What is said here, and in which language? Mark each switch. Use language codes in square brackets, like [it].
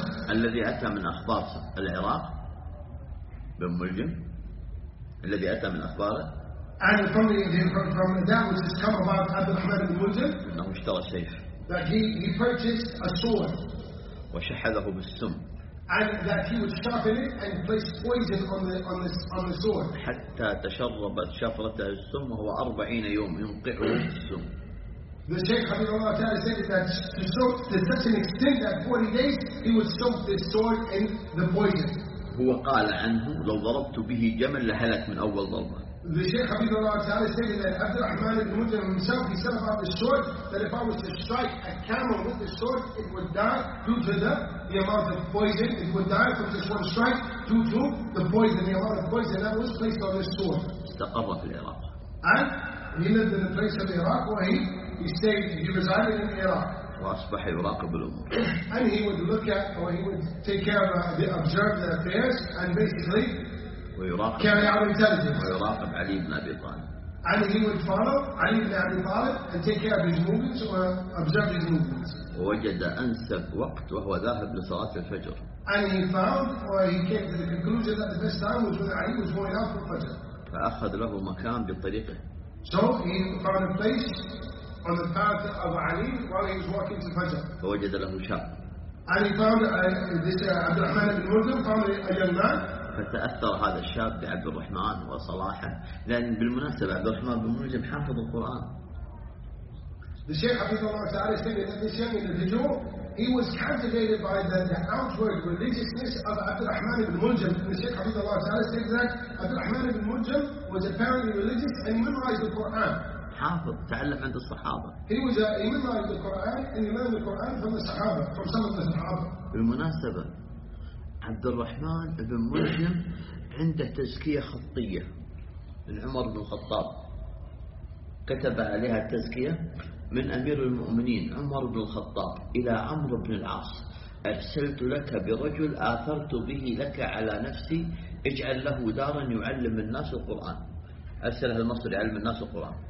[ar] الذي أتى من أخبار العراق بن ملجم الذي أتى من أخباره [en] and from that which has come about Abd al-Rahman ibn Muljim [ar] أنه اشترى سيف [en] that he purchased a sword [ar] وشحذه بالسم [en] and that he would sharpen it and place poison on the sword [ar] حتى تشربت شفرة السم وهو 40 يوم ينقعه السم. [en] The Shaykh Habib Allah Ta'ala said that to such an extent that 40 days he would soak this sword in the poison. [ar] هو قال عنه لو ضربت به جمل لهلك من أول ضربة. [en] The Shaykh Habib Allah Ta'ala said that Abd al-Rahman ibn Mujam himself, he said about the sword that if I was to strike a camel with the sword, it would die due to the amount of poison. It would die from just one strike due to the poison, the amount of poison that was placed on this sword. [ar] استقر في العراق. [en] And he lived in the place of Iraq where he stayed, he resided in Iraq. [ar] وأصبح يراقب الأمور. [en] And he would look at, or he would take care of, the observe the affairs, and basically [ar] ويراقب. [en] Carry out intelligence. [ar] ويراقب علي بن أبي طالب. [en] And he would follow علي بن أبي طالب and take care of his movements or observe his movements. [ar] ووجد أنسب وقت وهو ذاهب لصلاة الفجر. [en] And he found, or he came to the conclusion that the best time was when علي was going out for Fajr. [ar] فأخذ له مكان بطريقه. [en] So he found a place. On the path of Ali while he was walking to Fajr. [ar] فوجد له شاب. [en] And he found this Abd al-Rahman ibn Muljim found a young man. [ar] فتأثر هذا الشاب بعبد الرحمن وصلاحه لأن بالمناسبة عبد الرحمن بن ملجم حافظ القرآن. [en] The Shaykh [ar] حفظه الله تعالى [en] stated that this young individual he was captivated by the outward religiousness of Abd al-Rahman ibn Muljim. The Shaykh [ar] حفظه الله تعالى [en] stated that Abd al-Rahman ibn Muljim was apparently religious and memorized the Quran. [ar] حافظ تعلم عند الصحابة. [en] He was a memorizer of the Quran and he learned the Quran from the Sahaba, from some of the Sahaba. [ar] بالمناسبة عبد الرحمن بن ملجم عنده تزكية خطية من عمر بن الخطاب كتب عليها التزكية من أمير المؤمنين عمر بن الخطاب إلى عمرو بن العاص أرسلت لك برجل آثرت به لك على نفسي اجعل له دارا يعلم الناس القرآن أرسلها لمصر يعلم الناس القرآن.